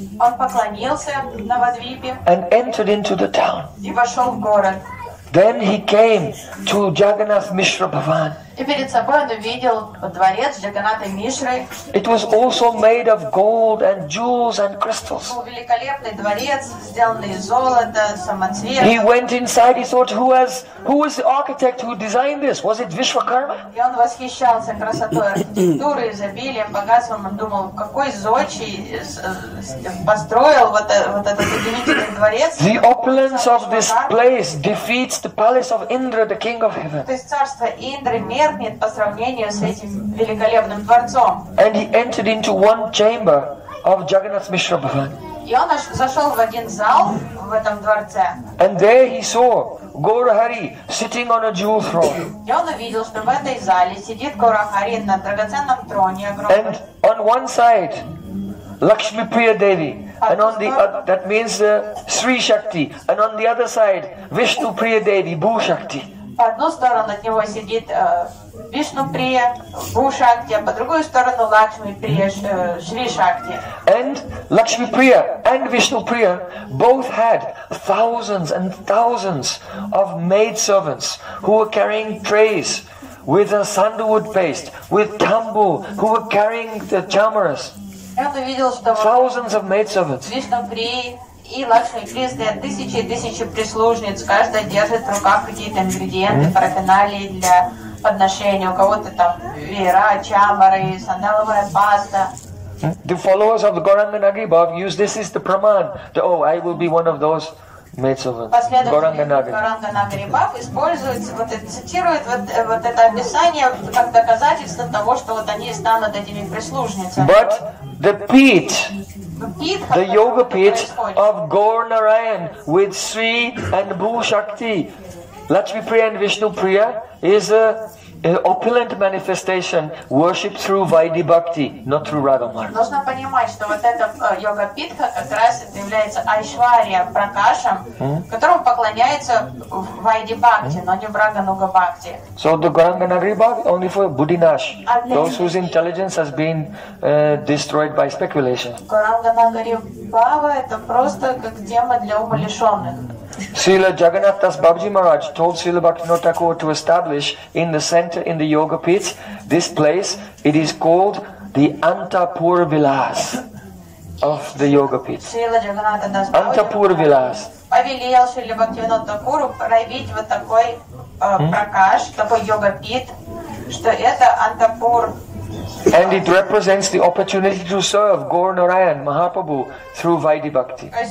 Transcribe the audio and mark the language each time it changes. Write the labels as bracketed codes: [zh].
[ru] Он поклонился Навадвипе. [en] And entered into the town. [ru] И вошел в город. [en] Then he came to Jagannath Mishra Bhavan. [ru] И перед собой он увидел дворец Джаганнатха Мишры. [en] It was also made of gold and jewels and crystals. [ru] Был великолепный дворец, сделанный из золота, самоцветов. [en] He went inside. He thought, who was the architect who designed this? Was it Vishwakarma? [ru] И он восхищался красотой архитектуры, изобилием, богатством. Он думал, какой зодчий построил вот этот удивительный дворец. [en] The opulence of this place defeats the palace of Indra, the king of heaven. [ru] То есть царство Индры меркнет по сравнению с этим великолепным дворцом. [en] And he entered into one chamber of Jagannath Mishra Bhavan. [ru] И он зашел в один зал в этом дворце. [en] And there he saw Gaura Hari sitting on a jewel throne. And on one side, Lakshmi Priya Devi, and on the that means Sri Shakti, and on the other side, Vishnu Priya Devi, Bhu Shakti. [ru] По одну сторону от него сидит Вишну Прия, Бу Шакти, а по другую сторону Лакшми Прия, Шри Шакти. [en] And Lakshmi Priya and Vishnu Priya both had thousands and thousands of maid servants who were carrying trays with a sandalwood paste, with tambu, who were carrying the chamaras. [ru] Он увидел, что [en] thousands of maid servants. [ru] Вишну Прия и тысячи прислужниц, каждая держит в руках какие-то ингредиенты, парафиналии для подношения. У кого-то там веера, чамары, сандаловая паста. [en] The followers of the Gauranga Nagi Bhav use this as the praman. Oh, I will be one of those maidservants. [ru] Последователи Gauranga Nagi Bhav используют, цитируют это описание как доказательство того, что они станут этими прислужницами. [en] But the peat, the yoga pit of Gaur Narayan with Sri and Bhu Shakti, Lakshmi Priya and Vishnu Priya, is an opulent manifestation worshipped through Vaidhi Bhakti, not through Radha Mara. [ru] Нужно понимать, что вот эта йога питха как раз это является Айшварья Пракашем, которому поклоняется Вайди Бхакти, но не Брага Нуга Бхакти. [en] So the Gauranga Nagari Bhav only for Buddhinash, those whose intelligence has been destroyed by speculation. [ru] Гуранга Нагари Бхава это просто как тема для умалишенных. [en] Srila Jagannath Das Babaji Maharaj told Srila Bhaktivinoda Thakur to establish in the center, in the yoga pits, this place. It is called the Antapur Vilas of the yoga pit. Antapur Vilas. [ru] Повелел Шрила Бхактивинода Такуру проявить вот такой пракаш, такой йога пит, что это Антапур. [en] And it represents the opportunity to serve Gaur Narayan Mahaprabhu through Vaidhi Bhakti.